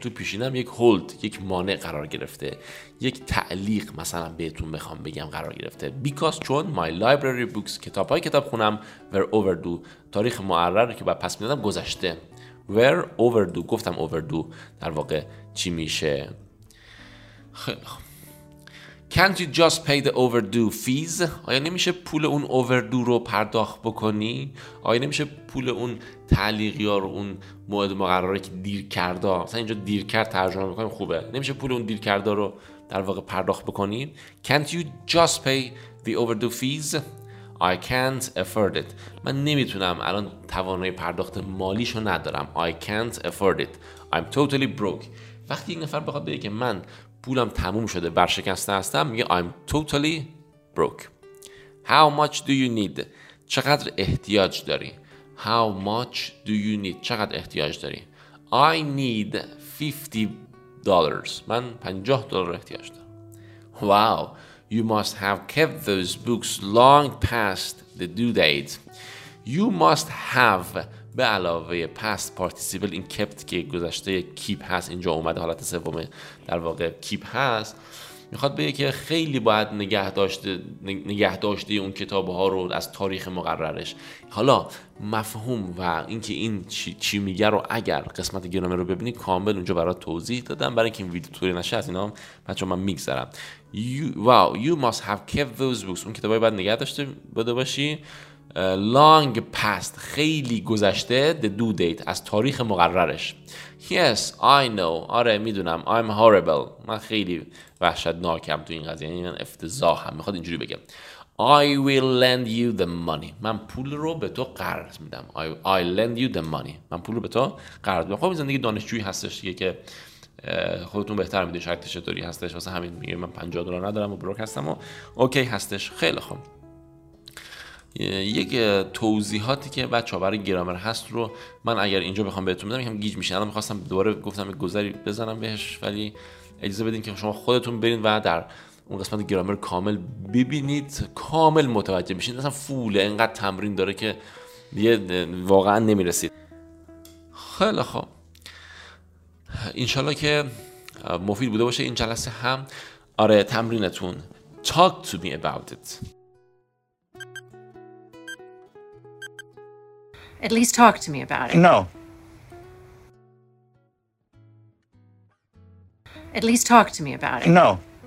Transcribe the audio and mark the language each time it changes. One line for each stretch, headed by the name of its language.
Persian: تو پیشینم یک hold، یک مانع قرار گرفته. یک تعلیق مثلا بهتون بخوام بگم قرار گرفته.
English: Because
Persian: چون
English: my library books،
Persian: کتاب های کتاب خونم،
English: were overdue.
Persian: تاریخ معرر که بعد پس میدادم گذشته.
English: Were overdue.
Persian: گفتم overdue در واقع چی میشه؟ خیلی خوب.
English: Can't you just pay the overdue fees?
Persian: آیا نمیشه پول اون overdue رو پرداخت بکنی؟ آیا نمیشه پول اون تعلیقی ها رو، اون موعد مقرره که دیر کرده، مثلا اینجا دیر کرد ترجمه میکنیم خوبه، نمیشه پول اون دیر کرده رو در واقع پرداخت بکنی؟
English: Can't you just pay the overdue fees? I can't afford it.
Persian: من نمیتونم الان توانای پرداخت مالیشو ندارم.
English: I can't afford it. I'm totally broke.
Persian: وقتی یک نفر بخواد بگه من پولم تموم شده، برشکسته هستم، میگه
English: I'm totally broke. How much do you need?
Persian: چقدر احتیاج داری؟
English: How much do you need؟
Persian: چقدر احتیاج داری؟
English: I need $50.
Persian: من $50 احتیاج دارم.
English: Wow, you must have kept those books long past the due date. You must have,
Persian: به علاوه past participle این
English: kept
Persian: که گذشته keep هست، اینجا اومده حالت سومه در واقع keep هست، میخواد بگه که خیلی باید نگه داشته اون کتابها رو از تاریخ مقررش. حالا مفهوم و اینکه این چی میگه رو اگر قسمت گرامر رو ببینید کامل اونجا برای توضیح دادم، برای اینکه این ویدیو طوری نشه از اینا بچه من میگذرم.
English: You must have kept those books،
Persian: اون کتابای باید نگه داشته بده باشی،
English: long past،
Persian: خیلی گذشته،
English: the due date،
Persian: از تاریخ مقررش.
English: Yes, I know.
Persian: آره میدونم.
English: I'm horrible.
Persian: من خیلی وحشتناکم تو این قضیه. یعنی من افتضاحم. میخواد اینجوری بگم.
English: I will lend you the money.
Persian: من پول رو به تو قرض میدم.
English: I lend you the money.
Persian: من پول رو به تو قرض میدم. خب زندگی دانشجویی هستش دیگه که خودتون بهتر میدونید شاید چطوری هستش. واسه همین میگه من $50 ندارم و بروک هستم و اوکی هستش. خیلی خوب. یک توضیحاتی که بچه ها برای گرامر هست رو من اگر اینجا بخوام بهتون بدم یکم گیج میشه. الان میخواستم دوباره گفتم یک گذری بزنم بهش، ولی اجازه بدین که شما خودتون برین و در اون قسمت گرامر کامل ببینید، کامل متوجه میشین. اصلا فوله، اینقدر تمرین داره که دیگه واقعا نمیرسید. خیلی خب، انشالله که مفید بوده باشه این جلسه هم. آره تمرینتون،
English: talk to me about it. At least talk to me about it. No. At least talk to me about it. No.